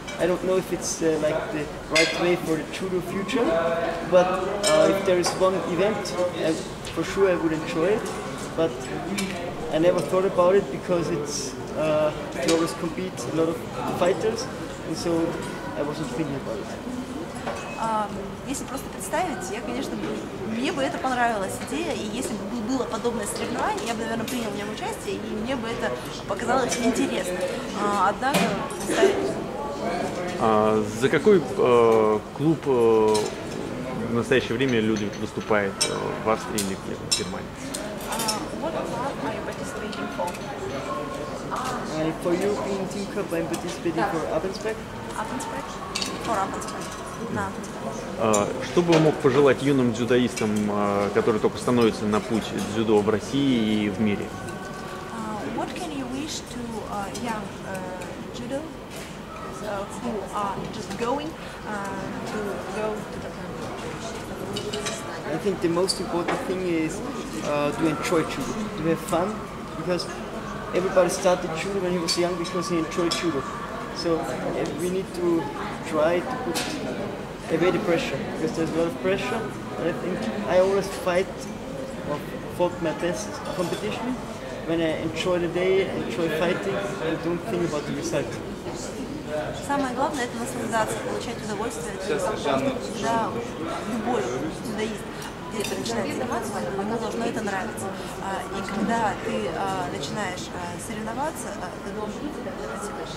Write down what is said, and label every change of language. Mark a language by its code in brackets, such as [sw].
[en] I don't know if it's like the right way for the judo future, but if there is one event, for sure I would enjoy it. But I never thought about it because it's you always compete a lot of fighters, and so I wasn't thinking about it. [ru] Если просто представить, я, конечно, мне бы это понравилась идея, и если бы было подобное соревнование, я бы, наверное, принял в нем участие, и мне бы это показалось интересно. Однако представить. За какой клуб в настоящее время Людвиг выступает в Австрии или в Германии? [en] What club are you participating for? For European Team Cup, I'm participating for Appenspec. Appenspec? For Appenspec. [ru] Что бы мог пожелать юным дзюдоистам, которые только становятся на путь дзюдо в России и в мире? [en] What can you wish to young judo? Who are just going to go to the I think the most important thing is to enjoy judo, to have fun, because everybody started judo when he was young because he enjoyed judo. So we need to try to put away the pressure, because there's a lot of pressure. And I think I always fight or fought my best competition when I enjoy the day, enjoy fighting, and don't think about the result. [ru] Самое главное – это наслаждаться, получать удовольствие. Да, любой дзюдоист, где ты начинаешь соревноваться, ему должно это нравиться. И когда ты начинаешь соревноваться, ты должен это делать.